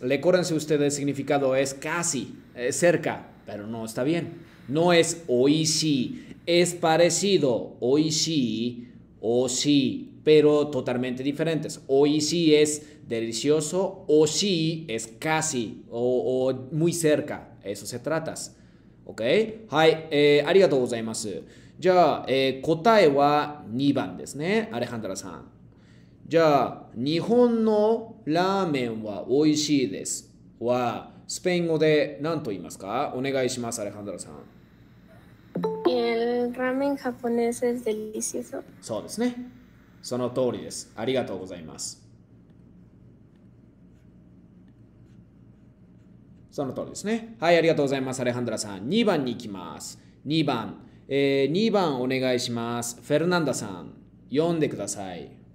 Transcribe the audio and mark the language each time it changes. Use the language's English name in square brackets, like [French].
[Spanish] Recuérdense ustedes, el significado es casi, cerca, pero no está bien. No es oishii, es parecido. Oishii, oshii, pero totalmente diferentes. Oishii es delicioso, oshii es casi o muy cerca. Eso se trata. OK. [Japanese] はい。ありがとうございます。じゃあ、答えは2番ですね、アレハンドラさん。じゃあ、日本のラーメンは美味しいです。は、スペイン語で何と言いますか？お願いします、アレハンドラさん。 [Spanish] El ramen japonés es delicioso. [Japanese] そうですね。その通りです。ありがとうございます。その通りですね。はい、ありがとうございます、アレハンドラさん。2番に行きます。 2番、2番お願いします。フェルナンダさん、読んでください。